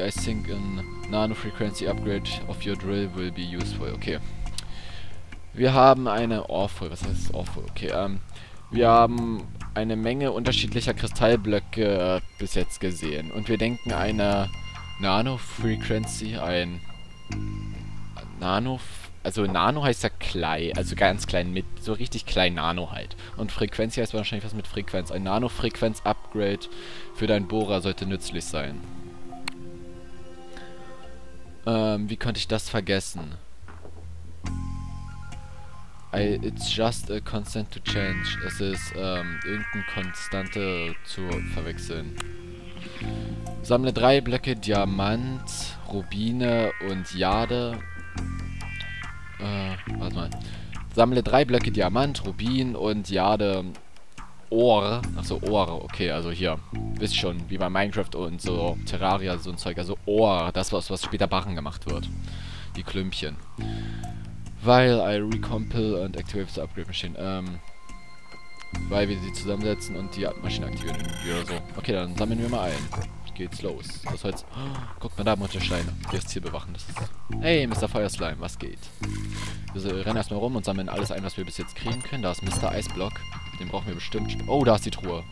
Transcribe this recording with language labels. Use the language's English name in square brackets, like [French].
[English] I think a nano-frequency upgrade of your drill will be useful. [German] Okay. Wir haben eine awful... Was heißt awful? Okay, wir haben eine Menge unterschiedlicher Kristallblöcke bis jetzt gesehen. Und wir denken, eine Nano-Frequency, ein Nano... Also Nano heißt ja klein, also ganz klein, mit so richtig klein Nano halt. Und Frequenz heißt wahrscheinlich was mit Frequenz. Ein Nano-Frequenz-Upgrade für deinen Bohrer sollte nützlich sein. Wie konnte ich das vergessen? [English] It's just a constant to change. [German] Es ist irgendeine Konstante zu verwechseln. Sammle drei Blöcke Diamant, Rubine und Jade. Warte mal. Sammle drei Blöcke Diamant, Rubin und Jade. Ohr. Achso, Ohr. Okay, also hier. Wisst schon, wie bei Minecraft und so Terraria, so ein Zeug. Also Ohr. Das, was später Barren gemacht wird. Die Klümpchen. [English] While I recompile and activate the upgrade machine. [German] Weil wir sie zusammensetzen und die Maschine aktivieren. Oder so. Okay, dann sammeln wir mal ein. Geht's los. Das Holz. Oh, guck mal da, Muttersteine. Hier ist Ziel bewachen. Das ist... Hey, Mr. Feuerslime, was geht? Wir rennen erstmal rum und sammeln alles ein, was wir bis jetzt kriegen können. Da ist Mr. Eisblock. Den brauchen wir bestimmt. Oh, da ist die Truhe.